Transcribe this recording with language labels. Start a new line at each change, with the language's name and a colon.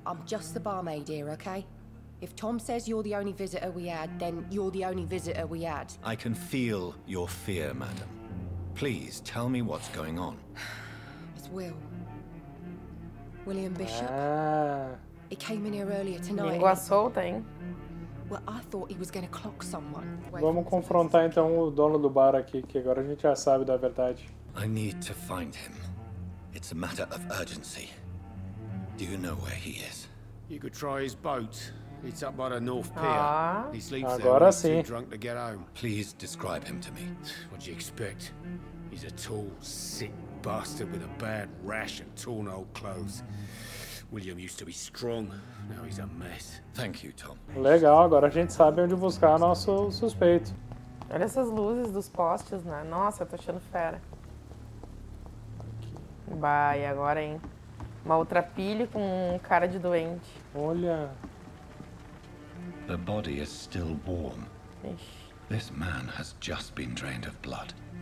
English: I'm just the barmaid here, okay? If Tom says you're the only visitor we had, then you're the only visitor we had. I can feel your fear, madam. Please tell me what's going on. It's Will. William Bishop. He came in here earlier tonight.
Portuguese: Língua solta, hein?
English: Well, I thought he was gonna clock someone.
Portuguese: Vamos confrontar então o dono do bar aqui, que agora a gente já sabe da verdade.
English: I need to find him. It's a matter of urgency. Do you know where he is? You could try his boat. It's up by the North Pier. He sleeps
Portuguese: agora
English: there.
Portuguese: Sim.
English: Too drunk to get home. Please describe him to me. What do you expect? He's a tall, sick bastard with a bad rash and torn old clothes. William used to be strong. Now he's a mess. Thank you, Tom.
Portuguese: Legal, agora a gente sabe onde buscar nosso suspeito. Olha essas luzes dos postes, né? Nossa, eu tô achando fera. Vai, agora, hein? Uma outra pilha com um cara de doente. Olha.
English: The body is still warm. This man has just been drained of blood.